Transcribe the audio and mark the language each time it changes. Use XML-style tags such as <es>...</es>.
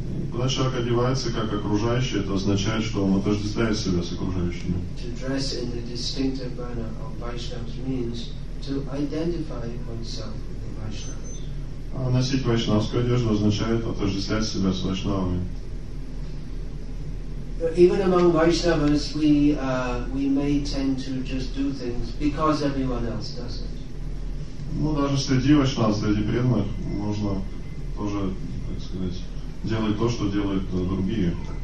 <ru>Когда человек одевается как окружающий, это означает, что он отождествляет себя с окружающими.</ru> <en>To dress in the distinctive manner of Vaishnavas means to identify oneself with the Vaishnavas.</en> <ru>А носить вайшнавскую одежду означает отождествлять себя с вайшнавами.</ru> <en>Even among Vaishnavas, we may tend to just do things because everyone else does it.</en> <ru>Ну, даже среди вайшнав, среди преданных можно тоже, так сказать, делать то, что делают другие.</ru>